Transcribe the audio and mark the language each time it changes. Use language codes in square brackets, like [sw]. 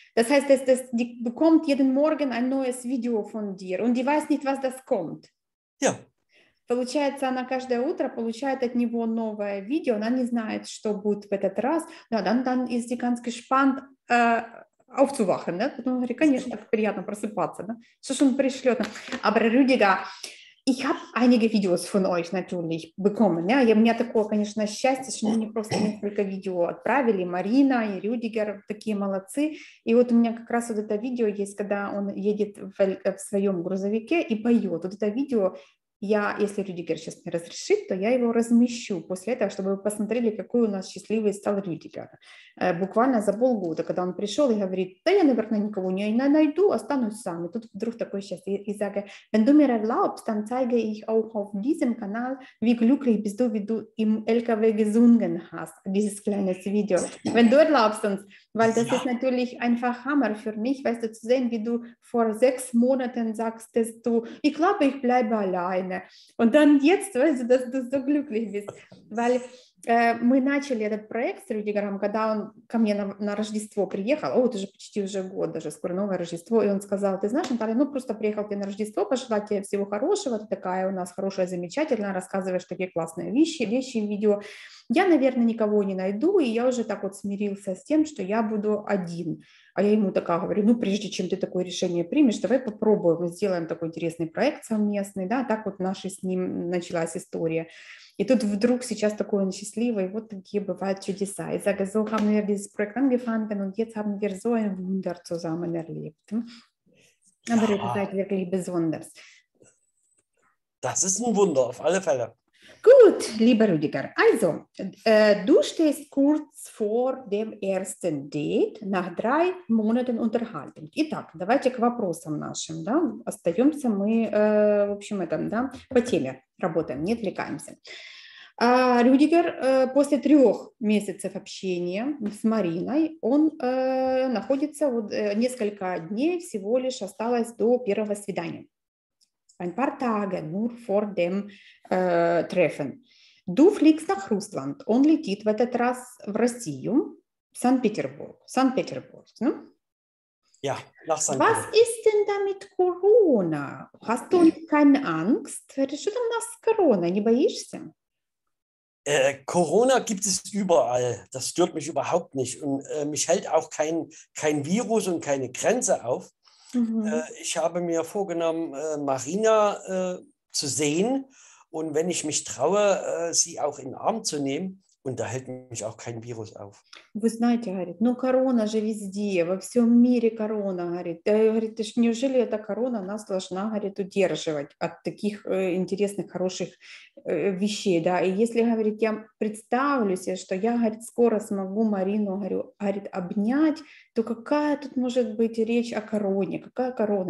[de] Das heißt, es bekommt jeden Morgen ein neues Video von dir, und die weiß nicht, was das kommt. Ja. [ru] Получается, она каждое утро получает от него новое видео, она не знает, что будет в этот раз. [de] Но dann ist sie ganz gespannt, aufzuwachen, ne? [ru] Потом говорит, конечно, так приятно просыпаться, да? Что ж он пришлет? [de] Aber Rüdiger, ich habe einige Videos von euch natürlich bekommen. Ja? [ru] У меня такое, конечно, счастье, что мне просто несколько видео отправили. Марина и Рюдигер такие молодцы. И вот у меня как раз вот это видео есть, когда он едет в своем грузовике и поет. Вот это видео я, если Рюдигер сейчас мне разрешит, то я его размещу после этого, чтобы вы посмотрели, какой у нас счастливый стал Рюдигер. Буквально за полгода, когда он пришел и говорит, да я, наверное, никого не найду, останусь сам. И тут вдруг такое счастье. [de] И sage, wenn du mir erlaubst, dann zeige ich auch auf diesem Kanal, wie glücklich bist du, wie du im LKW gesungen hast, dieses kleine Video. Wenn du erlaubst uns, weil das ist Ja. natürlich einfach Hammer für mich, weißt du, zu sehen, wie du vor 6 Monaten sagst, dass du, ich glaube, ich bleibe allein. Und dann jetzt, weißt du, dass du so glücklich bist, weil [ru] мы начали этот проект с Рюдигером, когда он ко мне на Рождество приехал. О, это же почти уже год, даже скоро новое Рождество. И он сказал, ты знаешь, Наталья, ну просто приехал ты на Рождество, пожелать тебе всего хорошего, ты такая у нас хорошая, замечательная, рассказываешь такие классные вещи, видео. Я, наверное, никого не найду, и я уже так вот смирился с тем, что я буду один. А я ему такая говорю, ну прежде чем ты такое решение примешь, давай попробуем, сделаем такой интересный проект совместный, да, так вот наша с ним началась история. И тут вдруг сейчас такой он счастливый, вот такие бывают чудеса. [de] Ich sage, so haben wir dieses Projekt angefangen und jetzt haben wir so ein Wunder zusammen erlebt. Aber ihr Ja, seid wirklich besonders. das ist ein Wunder, auf alle Fälle. Gut, lieber Rüdiger, also, du stehst kurz vor dem ersten Date nach 3 Monaten Unterhaltung. [ru] Итак, давайте к вопросам нашим, да, остаемся мы, в общем, этом, да, по теме работаем, не отвлекаемся. Рюдигер после 3 месяцев общения с Мариной, он находится, вот несколько дней всего лишь осталось до первого свидания. [de] Ein paar Tage nur vor dem Treffen. Du fliegst nach Russland. [ru] Он летит в этот раз в Россию, Санкт-Петербург. [de] Ne? Ja, nach St. Was Peter. ist denn da mit Corona? Hast du keine Angst? [ru] Что там нас Corona? Не боишься? [de] Corona gibt es überall. Das stört mich überhaupt nicht. Und mich hält auch kein Virus und keine Grenze auf. Ich habe mir vorgenommen, Marina zu sehen. Und wenn ich mich traue, sie auch in den Arm zu nehmen. Und da hält mich auch kein Virus auf. [ru] Вы знаете, говорит, ну корона же везде, во всем мире корона, говорит. Говорит, неужели эта корона нас должна, говорит, удерживать от таких интересных, хороших вещей, да? И если, говорит, я представлю себе, что я, говорит, скоро смогу Марину, говорит, обнять, то какая тут может быть речь о короне? Какая корона?